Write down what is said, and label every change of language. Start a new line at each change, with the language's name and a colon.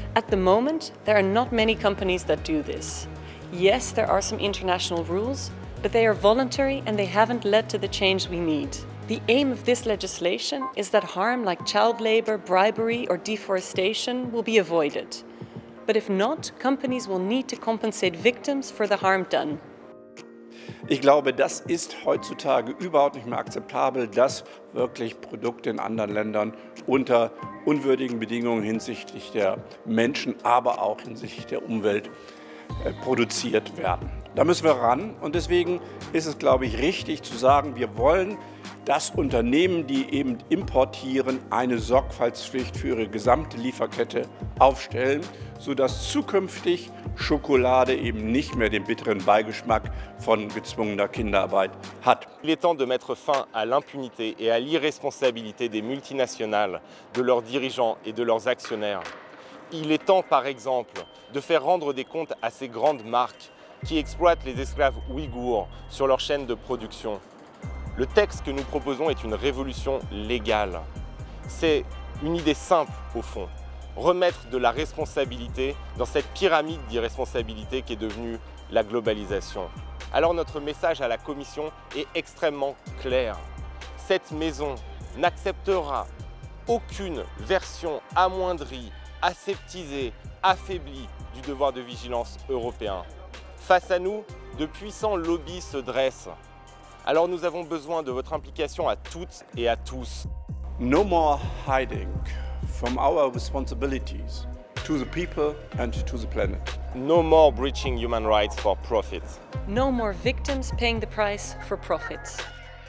English: At the moment, there are not many companies that do this. Yes, there are some international rules, but they are voluntary and they haven't led to the change we need. The aim of this legislation is that harm like child labor, bribery, or deforestation will be avoided. But if not, companies will need to compensate victims for the harm done.
German: Ich glaube, das ist heutzutage überhaupt nicht mehr akzeptabel, dass wirklich Produkte in anderen Ländern unter unwürdigen Bedingungen hinsichtlich der Menschen, aber auch hinsichtlich der Umwelt produziert werden. Da müssen wir ran und deswegen ist es, glaube ich, richtig zu sagen, wir wollen, dass Unternehmen, die eben importieren, eine Sorgfaltspflicht für ihre gesamte Lieferkette aufstellen, sodass zukünftig Schokolade eben nicht mehr den bitteren Beigeschmack von gezwungener Kinderarbeit hat.
French: Il est temps de mettre fin à l'impunité et à l'irresponsabilité des multinationales, de leurs dirigeants et de leurs actionnaires. Il est temps, par exemple, de faire rendre des comptes à ces grandes marques qui exploitent les esclaves ouïghours sur leur chaîne de production. Le texte que nous proposons est une révolution légale. C'est une idée simple, au fond. Remettre de la responsabilité dans cette pyramide d'irresponsabilité qui est devenue la globalisation. Alors notre message à la Commission est extrêmement clair. Cette maison n'acceptera aucune version amoindrie, aseptisée, affaiblie du devoir de vigilance européen. Face à nous, de puissants lobbies se dressent. Alors nous avons besoin de votre implication à toutes et à tous.
English: No more hiding from our responsibilities to the people and to the planet. No more breaching human rights for profit. No more victims paying the price for profits.